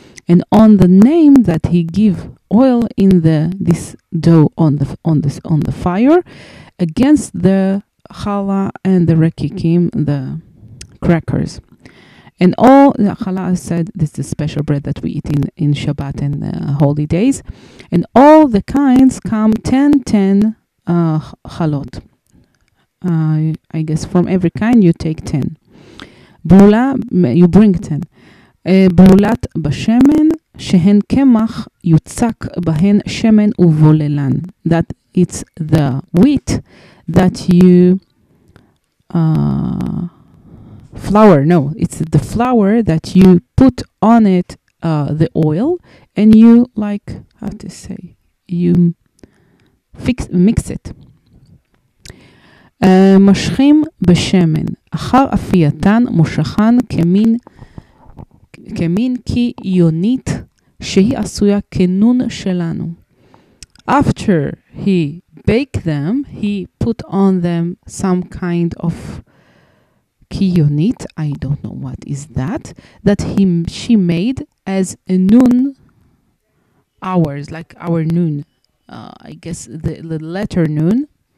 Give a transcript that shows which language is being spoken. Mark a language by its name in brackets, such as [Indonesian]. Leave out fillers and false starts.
[English] And on the name that he give oil in this dough on the fire, against the challah and the rekikim, the crackers, and all the challah, said this is special bread that we eat in Shabbat and holy days, and all the kinds come 10 challot. I guess from every kind you take 10. Bula, you bring 10. [Hebrew] בלולת בשמן שהן קמח יוצק בהן שמן ובוללן. [English] That it's the wheat that you flour. No, it's the flour that you put on it the oil and you like how to say you mix it. [Hebrew] משחים בשמן אחר אפייתן מושכן כמין כמין כי יונית שהיא עשויה כנון שלנו. [English] After he baked them, he put on them some kind of kiyonit, I don't know what is that, that she made as a noon hours, like our noon, I guess the letter noon.